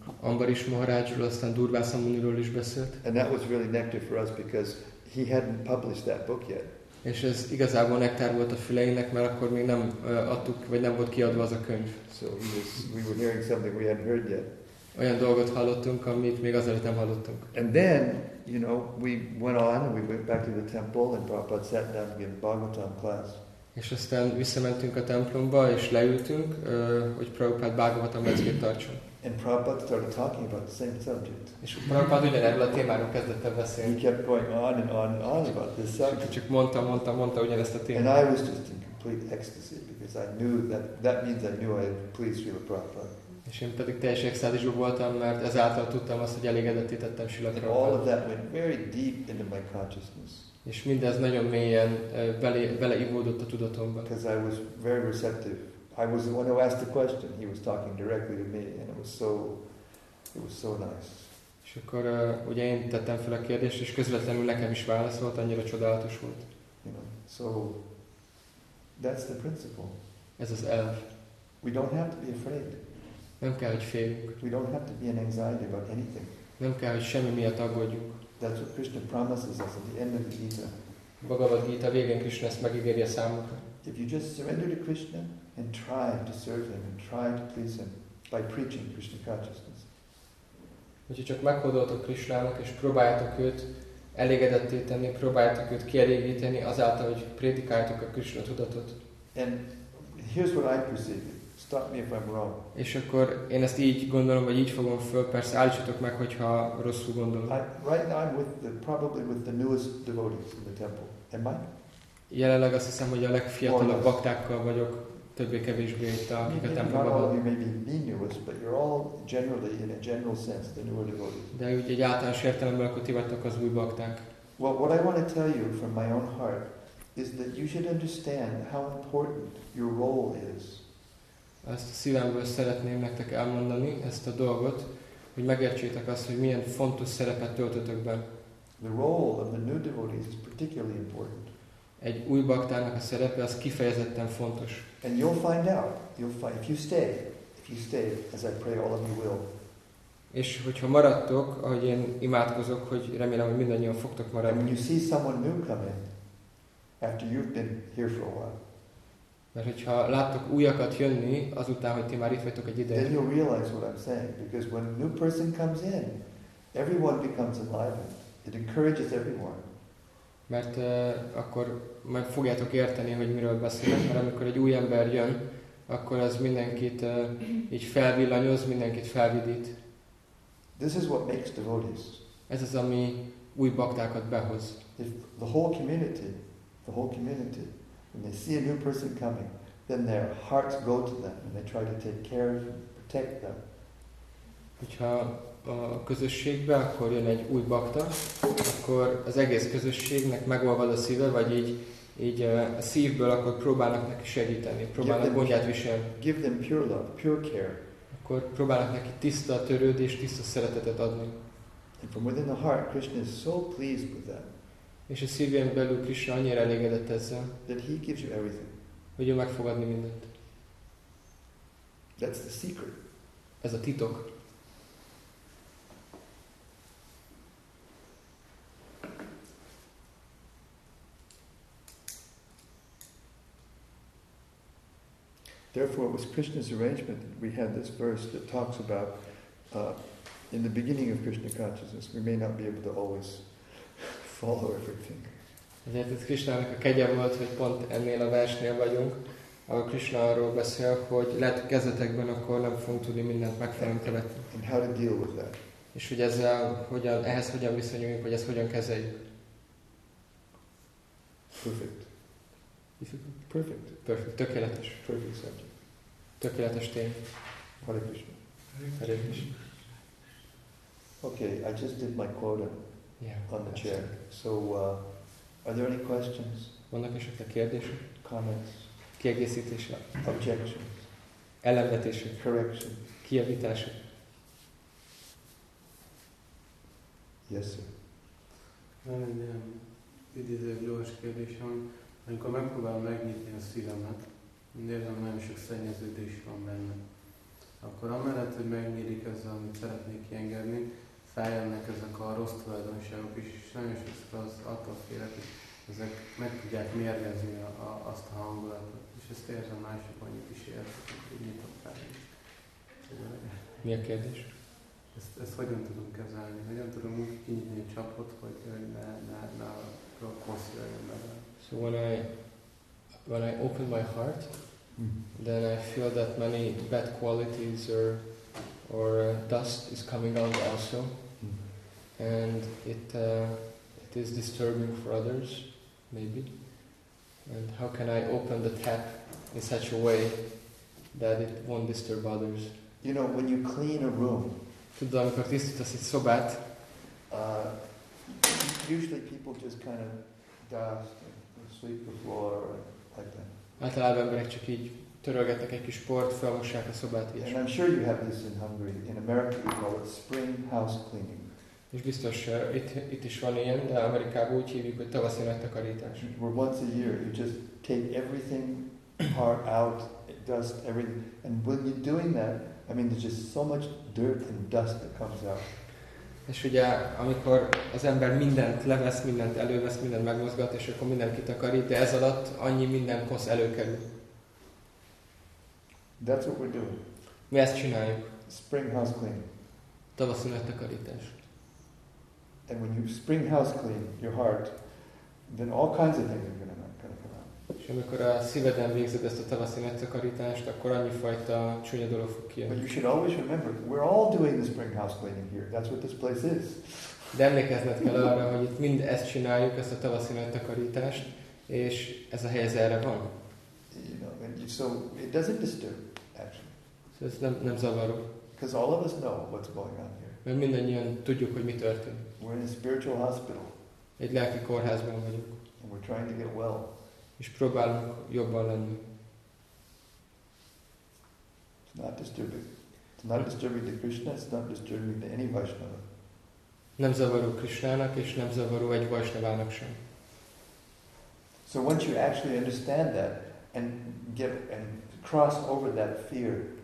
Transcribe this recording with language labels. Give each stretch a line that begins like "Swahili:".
Hungarian: Ambarish Maharajról, aztán Durvasa Muniról is beszélt.
English: And that was really nectar for us because he hadn't published that book yet.
Hungarian: És ez igazából nektár volt a füleinek, mert akkor még nem adtuk, vagy nem volt kiadva az a könyv.
English: So we were hearing something we hadn't heard yet.
Hungarian: Olyan dolgot hallottunk, amit még azelőtt nem hallottunk.
English: And then, you know, we went on and we went back to the temple and Prabhupada sat down to give Bhagavatam class.
Hungarian: És aztán visszamentünk a templomba és leültünk, hogy Prabhupada Bhagavatam leckét tartson.
English: And Prabhupada started talking about the same subject.
Hungarian: És Prabhupada ugyanerről a témáról kezdett el beszélni.
English: He kept going on and on and on about this subject.
Hungarian: Csak mondta ugyanezt a témát.
English: And I was just in complete ecstasy because I knew that means I knew I had pleased Srila Prabhupada.
Hungarian: És én pedig teljes extázisban voltam, mert ezáltal tudtam azt, hogy elégedetté tettem Srila Prabhupada.
English: All of that went very deep into my consciousness.
Hungarian: És mindez nagyon mélyen beleivódott a tudatomba.
English: Because I was very receptive. I was the one who asked the question. He was talking directly to me, and it was so nice.
Hungarian: És akkor ugye én tettem fel a kérdést, és közvetlenül nekem is válaszolt, annyira csodálatos volt.
English: You know, so that's the principle.
Hungarian: Ez az elv.
English: We don't have to be afraid.
Hungarian: Nem kell, hogy féljünk.
English: We don't have to be in anxiety about anything.
Hungarian: Nem kell, hogy semmi miatt aggódjunk.
English: That's what Krishna promises us at the end of the Gita.
Hungarian: Bhagavad Gita végén Krishna ezt megígéri a számunkra.
English: If you just surrender to Krishna and try to serve him and try to please him by preaching Krishna consciousness.
Hungarian: Hogyha csak meghódoltok Krishnának és próbáljátok őt elégedetté tenni, próbáljátok őt kielégíteni azáltal, hogy prédikáljátok a Krishna tudatot.
English: And here's what I perceive. Stop me if I'm wrong.
Hungarian: És akkor én ezt így gondolom, vagy így fogom föl, persze állítsatok meg, hogyha rosszul gondolom.
English: Right now I'm probably with the newest devotees in the temple. Am I?
Hungarian: Jelenleg azt hiszem, hogy a legfiatalabb baktákkal vagyok, többé-kevésbé itt, akik a templomban. De úgy egy általános értelemben, akkor ti vagytok az új bakták.
English: Well, what I want to tell you from my own heart is that you should understand how important your role is.
Hungarian: Ezt a szívemből szeretném nektek elmondani, ezt a dolgot, hogy megértsétek azt, hogy milyen fontos szerepet töltötök be.
English: The role of the new devotees is particularly important.
Hungarian: Egy új baktának a szerepe az kifejezetten fontos.
English: And you'll find out. If you stay, as I pray all of you will.
Hungarian: És hogyha maradtok, ahogy én imádkozok, hogy remélem, hogy mindannyian fogtok maradni.
English: And when you see someone new come in after you've been here for a while.
Hungarian: Mert hogyha láttok újakat jönni, azután, hogy ti már itt vagytok egy ideje.
English: Then you'll realize what I'm saying, because when a new person comes in, everyone becomes enlightened. It encourages everyone.
Hungarian: Mert akkor meg fogjátok érteni, hogy miről beszélek, mert amikor egy új ember jön, akkor az mindenkit így felvillanyoz, mindenkit felvidít.
English: This is what makes devotees.
Hungarian: Ez az, ami új baktákat behoz.
English: If the whole community, when they see a new person coming, then their hearts go to them and they try to take care of and protect them.
Hungarian: Hogyha a közösségbe, akkor jön egy új bakta, akkor az egész közösségnek megolvad a szíve, vagy így a szívből akkor próbálnak neki segíteni, próbálnak gondját viselni.
English: Give them pure love, pure care.
Hungarian: Akkor próbálnak neki tiszta törődést, tiszta szeretetet adni.
English: And from within the heart, Krishna is so pleased with that.
Hungarian: És a szívén belül Krishna annyira elégedett ezzel,
English: that he gives you everything.
Hungarian: Hogy ő megfogadni mindent.
English: That's the secret.
Hungarian: Ez a titok.
English: Therefore, it was Krishna's arrangement that we had this verse that talks about in the beginning of Krishna consciousness, we may not be able to always follow everything.
Hungarian: Ezért ez Krishnának a kegye volt, hogy pont ennél a versnél vagyunk, ahol Krishna arról beszél, hogy lehet kezdetekben akkor nem fogunk tudni mindent megfelelően követni.
English: And how to deal with that?
Hungarian: És hogy ezzel, ehhez hogyan viszonyuljunk, hogy ezt hogyan kezeljük?
English: Perfect. Perfect.
Hungarian: Tökéletes.
English: Perfect subject.
Hungarian: Tökéletes tény.
English: Hare Krishna.
Hungarian: Hare Krishna.
English: Okay, I just did my quota on the chair. So, are there any questions?
Hungarian: Vannak esetleg kérdések?
English: Comments?
Hungarian: Kiegészítése.
English: Objection.
Hungarian: Ellenvetése.
English: Correction.
Hungarian: Kijavítása.
English: Yes, sir.
Hungarian: Van egy ilyen idézőjelős kérdésem, amikor megpróbálom megnyitni a szívemet, nézem, nagyon sok szennyeződés van benne, akkor amellett, hogy megnyílik ezzel, amit szeretnék kiengedni, feljönnek ezek a rossz tulajdonságok is, és nagyon sokszor az attól félek, hogy ezek meg tudják mérgezni azt a hangulatot, és ezt érzem mások annyit is érzik, hogy nyitott fel. Mi a kérdés? Ezt hogyan tudunk kezelni? Hogyan tudom úgy kinyitni a csapot, hogy ne a rossz jöjjön bele?
English: So when I open my heart, then I feel that many bad qualities or dust is coming out also, and it is disturbing for others, maybe. And how can I open the tap in such a way that it won't disturb others? You know, when you clean a room,
Hungarian: tudom, amikor tisztítasz egy szobát,
English: usually people just kind of dust and sweep the floor like that.
Hungarian: Általában emberek csak így törölgetnek egy kis port, felmossák a szobát is.
English: And I'm sure you have this in Hungary. In America we call it spring house cleaning.
Hungarian: És biztos, itt is van ilyen, de Amerikában úgy hívjuk, hogy tavaszi nagytakarítás.
English: Where once a year you just take everything apart, out, dust, everything. And when you're doing that, I mean, there's just so much dirt and dust that comes out.
Hungarian: És ugye, amikor az ember mindent levesz, mindent elővesz, mindent megmozgat, és akkor mindent kitakarít, de ez alatt annyi minden kosz előkerül.
English: That's what we're doing.
Hungarian: Mi ezt csináljuk.
English: Spring house clean.
Hungarian: Tavaszi nagytakarítás.
English: And when you spring house clean your heart, then all kinds of things are gonna come out.
Hungarian: És amikor a szíveden végzed ezt a tavaszi nagytakarítást, akkor annyi fajta csúnya dolog fog kijönni.
English: But you should always remember, we're all doing the spring house cleaning here. That's what this place is.
Hungarian: De emlékezned kell arra, hogy itt mind ezt csináljuk, ezt a tavaszi nagytakarítást, és ez a helyez erre van.
English: You know, and so it doesn't disturb, actually.
Hungarian: So ez nem zavaró.
English: Because all of us know what's going on here.
Hungarian: Mert mindannyian tudjuk, hogy mi történt.
English: We're in a spiritual hospital.
Hungarian: Egy lelki kórházban vagyunk.
English: And we're trying to get well.
Hungarian: És próbálunk jobban lenni.
English: It's not disturbing. It's not disturbing to Krishna, it's not disturbing to any Vaishnava.
Hungarian: Nem zavaró Krishnának, és nem zavaró egy Vaishnavának sem.
English: So once you actually understand that, and cross over that fear,